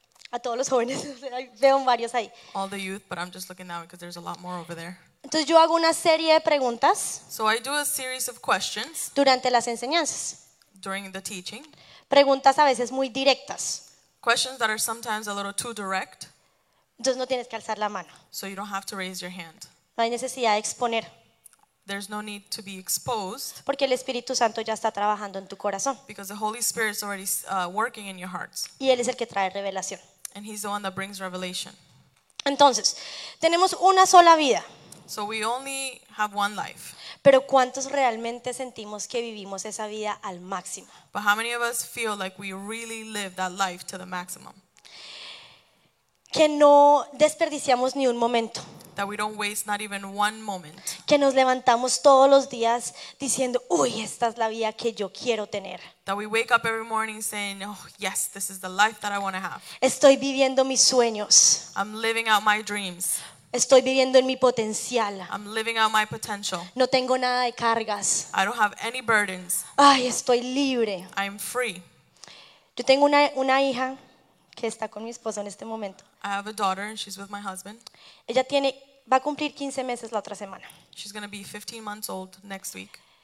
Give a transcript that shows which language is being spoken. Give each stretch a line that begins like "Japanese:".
Spanish: A todos los jóvenes, veo varios ahí.
English: All the youth, but I'm just looking now because there's a lot more over there.
Spanish: Entonces yo hago una serie de preguntas.
English: So I do a series of questions.
Spanish: Durante las enseñanzas.
English: During the teaching.
Spanish: Preguntas a veces muy directas.
English: Questions that are sometimes a little too direct.
Spanish: Entonces no tienes que alzar la mano.
English: So you don't have to raise your hand.
Spanish: No hay necesidad de exponer.
English: There's no need to be exposed.
Spanish: Porque el Espíritu Santo ya está trabajando en tu corazón.
English: Because the Holy Spirit is already working in your hearts.
Spanish: Y él es el que trae revelación.
English: And he's the one that brings revelation.
Spanish: Entonces, tenemos una sola vida.
English: So we only have one life.
Spanish: Pero ¿cuántos realmente sentimos que vivimos esa vida al máximo?
English: But how many of us feel like we really live that life to the maximum?
Spanish: Que no desperdiciamos ni un momento.
English: That we don't waste not even one moment.
Spanish: Que nos levantamos todos los días diciendo, "Uy, esta es la vida que yo quiero tener."
English: That we wake up every morning saying, "Oh, yes, this is the life that I want to have."
Spanish: Estoy viviendo mis sueños.
English: I'm living out my dreams.
Spanish: Estoy viviendo en mi potencial.
English: I'm living out my potential.
Spanish: No tengo nada de cargas.
English: I don't have any burdens.
Spanish: Ay, estoy libre.
English: I'm free.
Spanish: Yo tengo una hija que está con mi esposo en este momento.
English: I have a daughter and she's with my husband.
Spanish: Ella tiene, va a cumplir 15 meses la otra semana.
English: She's going to be 15 months old next week.